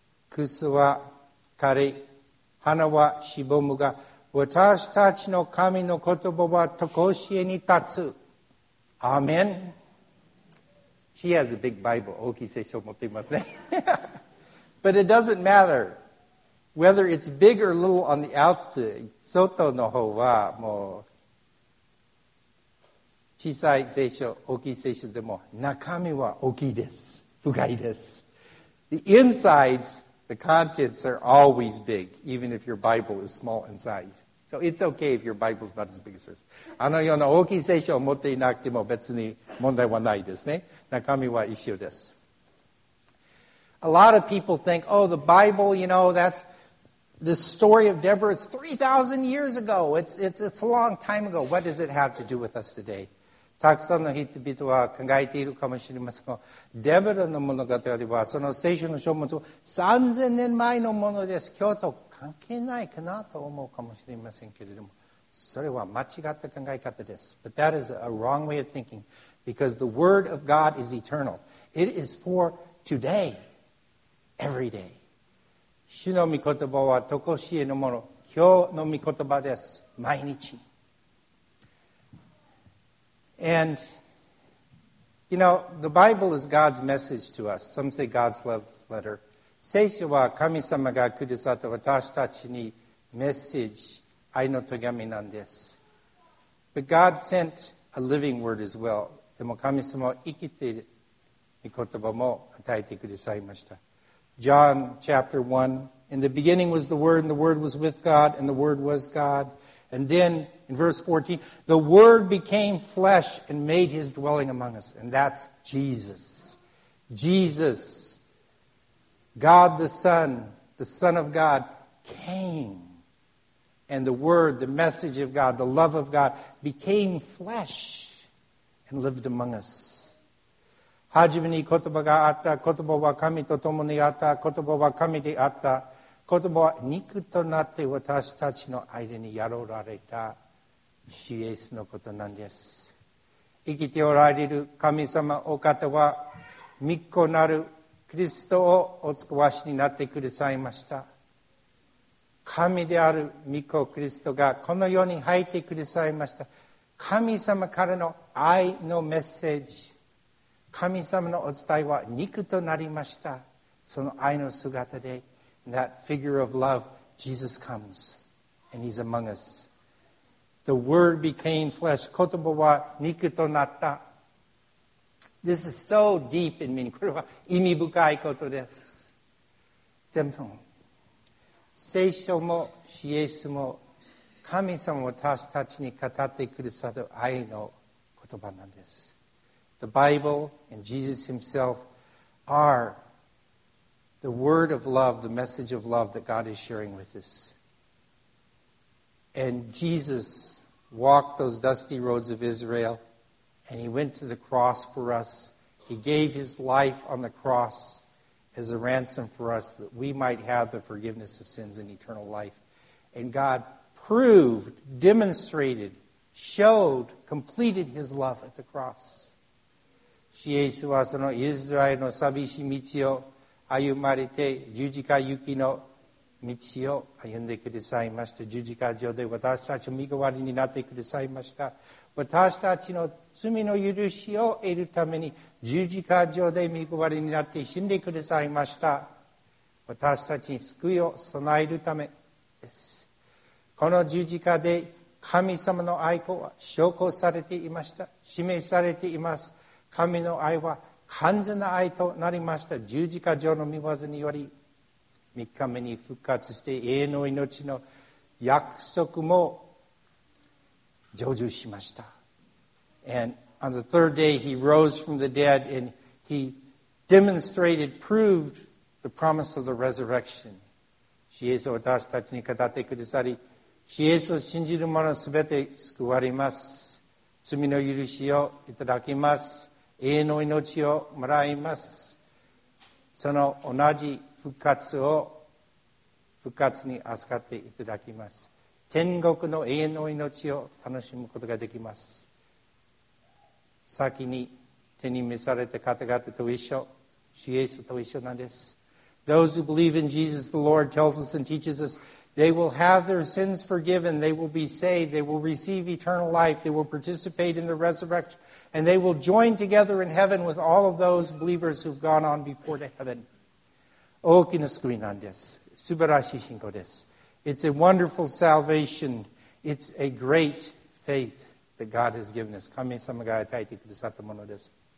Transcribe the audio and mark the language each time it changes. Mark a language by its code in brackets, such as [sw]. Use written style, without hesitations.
[ja] クスは枯れ、花はしぼむが、私たちの神の言葉はとこしえに立つ。アーメン。 [en] She has a big Bible. [ja] 大きい聖書を持っていますね。 [en] But it doesn't matter whether it's big or little on the outside. [ja] 外の方はもう小さい聖書、大きい聖書でも中身は大きいです。深いです。 [en] The insides... The contents are always big, even if your Bible is small in size. So it's okay if your Bible is not as big as yours. [ja] あのような大きい聖書を持っていなくても別に問題はないですね。中身は一緒です。 [en] A lot of people think, oh, the Bible, you know, that's the story of Deborah. It's 3,000 years ago. It's a long time ago. What does it have to do with us today? [ja] たくさんの人々は考えているかもしれませんが、デボラの物語はその聖書の書物は3000年前のものです。今日と関係ないかなと思うかもしれませんけれども、それは間違った考え方です。 [en] But that is a wrong way of thinking, because the word of God is eternal. It is for today, every day. [ja] 主の御言葉は常しえのもの。今日の御言葉です。毎日。 [en] And, you know, the Bible is God's message to us. Some say God's love letter. [ja] 聖書は神様がくださった私たちにメッセージ、愛の手紙なんです。 [en] But God sent a living word as well. [ja] でも神様は生きている御言葉も与えてくださいました。 [en] John chapter 1, in the beginning was the Word, and the Word was with God, and the Word was God. And then, in verse 14, the Word became flesh and made His dwelling among us. And that's Jesus. Jesus, God the Son of God, came. And the Word, the message of God, the love of God, became flesh and lived among us. [ja] はじめに言葉があった。言葉は神と共にあった。言葉は神であった。言葉は肉となって私たちの間に宿られた主イエスのことなんです。生きておられる神様お方は御子なるキリストをお使わしになってくださいました。神である御子キリストがこの世に入ってくださいました。神様からの愛のメッセージ。神様のお伝えは肉となりました。その愛の姿で、 [en] that figure of love, Jesus comes, and He's among us. The Word became flesh. [ja] 言葉は肉となった。 [en] This is so deep in meaning. [ja] これは意味深いことです。でも、聖書も、主イエスも、神様も私たちに語ってくださる愛の言葉なんです。 [en] The Bible and Jesus Himself are the word of love, the message of love that God is sharing with us. And Jesus walked those dusty roads of Israel, and He went to the cross for us. He gave His life on the cross as a ransom for us that we might have the forgiveness of sins and eternal life. And God proved, demonstrated, showed, completed His love at the cross. [ja] 主イエスはそのイスラエルの寂しい道を歩まれて十字架行きの道を歩んでくださいました。十字架上で私たちの身代わりになってくださいました。私たちの罪の許しを得るために十字架上で身代わりになって死んでくださいました。私たちに救いを備えるためです。この十字架で神様の愛子は証拠されていました。示されています。神の愛は完全な愛となりました。十字架上の御業により、三日目に復活して永遠の命の約束も成就しました。 [en] And on the third day, He rose from the dead and He demonstrated, proved the promise of the resurrection. [ja] 主イエスを私たちに語ってくださり、主イエスを信じる者はすべて救われます。罪の許しをいただきます。永遠の命をもらいます。その同じ復活を復活に預かっていただきます。天国の永遠の命を楽しむことができます。先に手に召された方々と一緒、主イエスと一緒なんです。 [en] Those who believe in Jesus, the Lord tells us and teaches us, they will have their sins forgiven, they will be saved, they will receive eternal life, they will participate in the resurrection. And they will join together in heaven with all of those believers who've gone on before to heaven. [ja] 大きな救いなんです。素晴らしい信仰です。 [en] It's a wonderful salvation. It's a great faith that God has given us. [ja] 神様が与えてくださったものです。